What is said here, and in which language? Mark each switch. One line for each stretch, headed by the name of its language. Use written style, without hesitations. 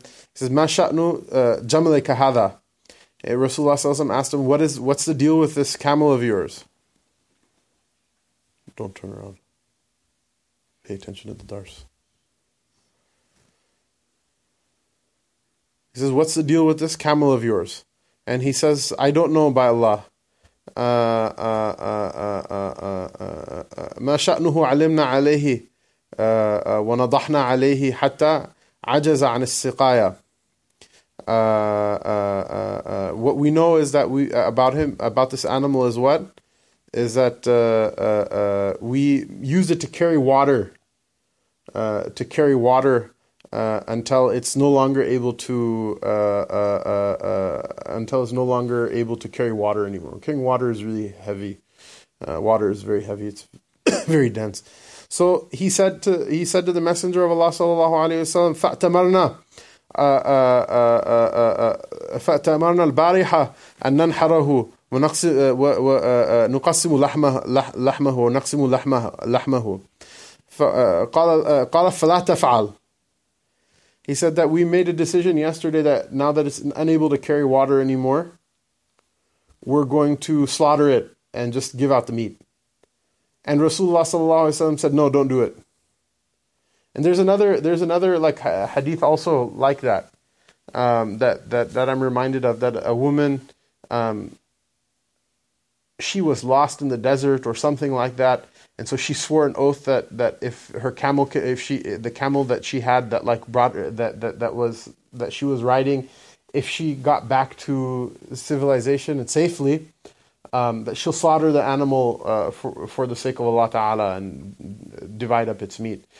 English: He says, "Ma sha'nu jamalika hadha?" Rasulullah sallallahu alaihi wasallam asked him, "What's the deal with this camel of yours?" Don't turn around. pay attention to the dars. He says, what's the deal with this camel of yours? And he says, I don't know, by Allah.
Arabic: ما شأنه علمنا عليه ونضحنا عليه حتى عجز عن السقاية.
English: What we know is that we about him, about this animal, is what? Is that we use it to carry water, until it's no longer able to until it's no longer able to carry water anymore. Carrying water is really heavy. Water is very heavy. It's very dense.
Arabic: So he said to the Messenger of Allah sallallahu alaihi wasallam, فَأْتَمَرْنَا فَأْتَمَرْنَا الْبَارِحَ أَنْ نَنْحَرَهُ وَنُقَسِّمُ لَحْمَهُ وَنَقْسِمُ لَحْمَهُ قَالَ فَلَا تَفْعَلْ.
English: He said that we made a decision yesterday that now that it's unable to carry water anymore, we're going to slaughter it and just give out the meat. And Rasulullah sallallahu alaihi wasallam said, no, don't do it. And there's another like hadith also like that, that I'm reminded of, that a woman, she was lost in the desert or something like that, and so she swore an oath that if her camel, that she was riding, if she got back to civilization and safely, that she'll slaughter the animal for the sake of Allah Ta'ala and divide up its meat.